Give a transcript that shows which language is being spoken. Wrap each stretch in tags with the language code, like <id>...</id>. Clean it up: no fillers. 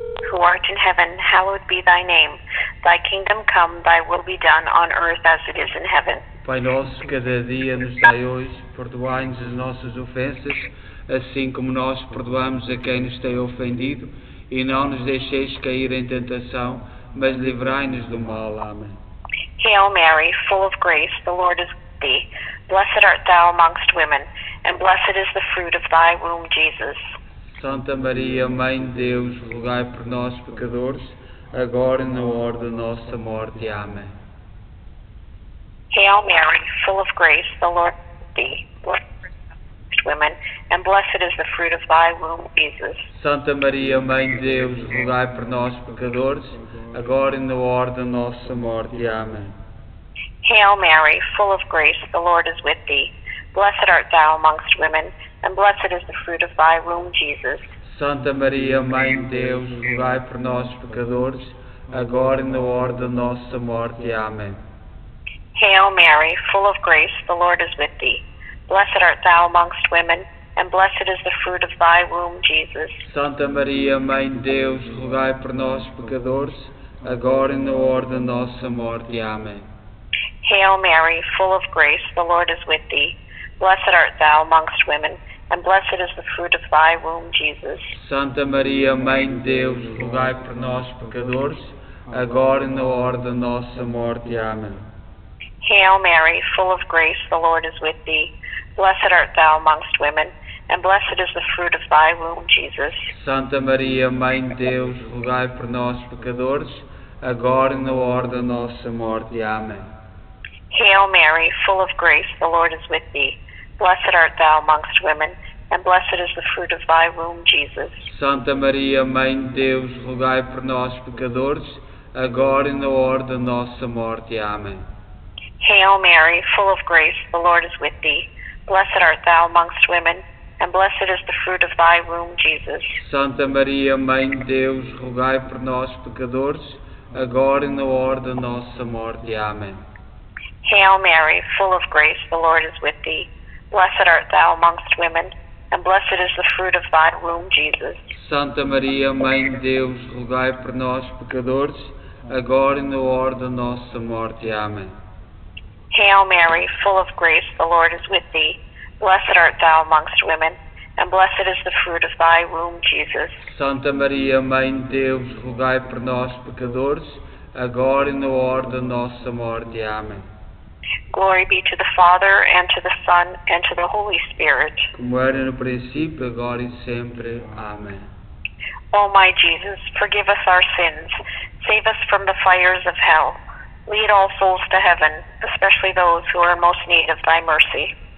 <en>Who art in heaven, hallowed be thy name. Thy kingdom come, thy will be done on earth as it is in heaven.</en> <pt>Pai nosso, cada dia nos dai hoje, perdoai-nos as nossas ofensas, assim como nós perdoamos a quem nos tem ofendido, e não nos deixeis cair em tentação, mas livrai-nos do mal. Amém.</pt> <en>Hail Mary, full of grace, the Lord is with thee. Blessed art thou amongst women, and blessed is the fruit of thy womb, Jesus.</en> <pt>Santa Maria, Mãe de Deus, rogai por nós, pecadores, agora e na hora da nossa morte. Amém.</pt> <en>Hail Mary, full of grace, the Lord is with thee. Blessed art thou amongst women, and blessed is the fruit of thy womb, Jesus.</en> <pt>Santa Maria, Mãe de Deus, rogai por nós, pecadores, agora e na hora da nossa morte. Amém.</pt> <en>Hail Mary, full of grace, the Lord is with thee. Blessed art thou amongst women, and blessed is the fruit of thy womb, Jesus.</en> <pt>Santa Maria, Mãe de Deus, rogai por nós, pecadores, agora e na hora da nossa morte. Amém.</pt> <en>Hail Mary, full of grace, the Lord is with thee. Blessed art thou amongst women, and blessed is the fruit of thy womb, Jesus.</en> <pt>Santa Maria, Mãe de Deus, rogai por nós, pecadores, agora e na hora da nossa morte. Amém.</pt> <en>Hail Mary, full of grace, the Lord is with thee. Blessed art thou amongst women, and blessed is the fruit of thy womb, Jesus.</en> <pt>Santa Maria, Mãe de Deus, rogai por nós, pecadores, agora e na hora da nossa morte. Amém.</pt> <en>Hail Mary, full of grace, the Lord is with thee. Blessed art thou amongst women, and blessed is the fruit of thy womb, Jesus.</en> <pt>Santa Maria, Mãe de Deus, rogai por nós, pecadores, agora e na hora da nossa morte. Amém.</pt> <en>Hail Mary, full of grace, the Lord is with thee. Blessed art thou amongst women, and blessed is the fruit of thy womb, Jesus.</en> <pt>Santa Maria, Mãe de Deus, rogai por nós, pecadores, agora e na hora da nossa morte. Amém.</pt> <en>Hail Mary, full of grace, the Lord is with thee. Blessed art thou amongst women, and blessed is the fruit of thy womb, Jesus.</en> <pt>Santa Maria, Mãe de Deus, rogai por nós, pecadores, agora e na hora da nossa morte. Amém.</pt> <en>Hail Mary, full of grace, the Lord is with thee. Blessed art thou amongst women, and blessed is the fruit of thy womb, Jesus.</en> <pt>Santa Maria, Mãe de Deus, rogai por nós, pecadores, agora e na hora da nossa morte. Amém.</pt> <en>Hail Mary, full of grace, the Lord is with thee. Blessed art thou amongst women, and blessed is the fruit of thy womb, Jesus.</en> <pt>Santa Maria, Mãe de Deus, rogai por nós, pecadores, agora e na hora da nossa morte. Amém.</pt> <en>Glory be to the Father, and to the Son, and to the Holy Spirit.</en> <pt>Como era no princípio, agora e sempre. Amém.</pt> <en>O my Jesus, forgive us our sins. Save us from the fires of hell. Lead all souls to heaven, especially those who are in most need of thy mercy.</en>